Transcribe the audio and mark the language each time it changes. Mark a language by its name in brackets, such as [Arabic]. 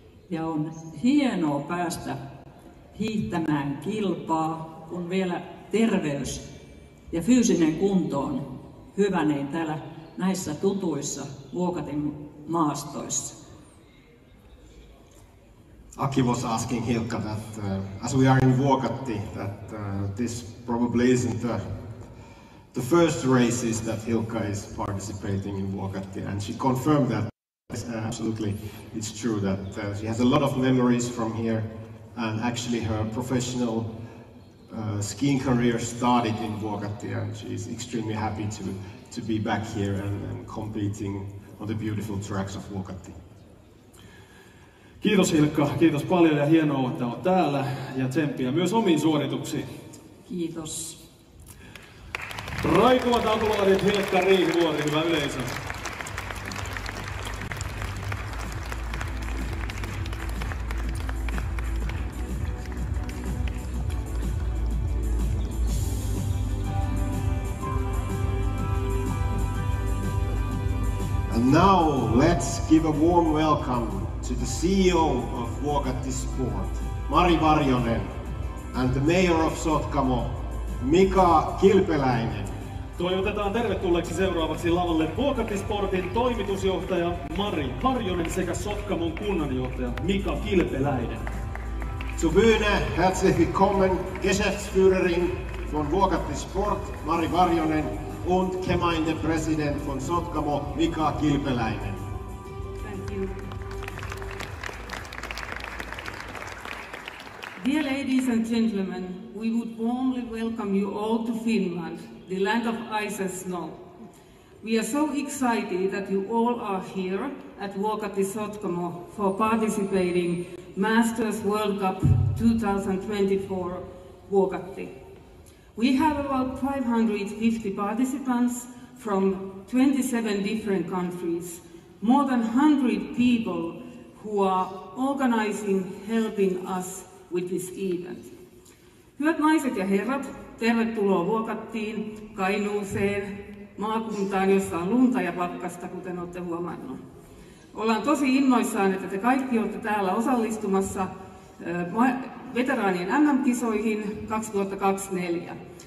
[Finnish] Ja on hienoa päästä hiihtämään kilpaa, kun vielä terveys ja fyysinen kunto on hyvä, niin täällä näissä tutuissa Vuokatin maastoissa. [English] Aki was asking Hilka that as we are in Vuokatti, that this probably isn't the first race is that Hilka is participating in Vuokatti, and she confirmed that absolutely it's true that she has a lot of memories from here, and actually her professional skiing career started in Vuokatti, and she's extremely happy to be back here and competing on the beautiful tracks of Vuokatti. [Finnish] Kiitos Hilka, kiitos paljon ja hienoa, että olet täällä, ja tsemppiä myös omiin suorituksiin. Kiitos. Raikuvat aplodit Hilkka Riihivuori, hyvä yleisö. [English] And now let's give a warm welcome to the CEO of Vuokatti Sport, Mari Varjonen, and the mayor of Sotkamo, Mika Kilpeläinen. [Finnish] Toivotetaan tervetulleeksi seuraavaksi lavalle Vuokatti Sportin toimitusjohtaja Mari Varjonen sekä Sotkamon kunnanjohtaja Mika Kilpeläinen. [German] Zur Bühne herzlich willkommen Geschäftsführerin von Vuokatti Sport, Mari Varjonen, und Gemeindepräsident von Sotkamo, Mika Kilpeläinen. [English] Dear ladies and gentlemen, we would warmly welcome you all to Finland, the land of ice and snow. We are so excited that you all are here at Vuokatti Sotkamo for participating Masters World Cup 2024 Vuokatti. We have about 550 participants from 27 different countries, more than 100 people who are organizing, helping us with this event. [Finnish] Hyvät naiset ja herrat, tervetuloa Vuokattiin, Kainuuseen, maakuntaan, jossa on lunta ja pakkasta, kuten olette huomannut. Ollaan tosi innoissaan, että te kaikki olette täällä osallistumassa veteraanien MM-kisoihin 2024.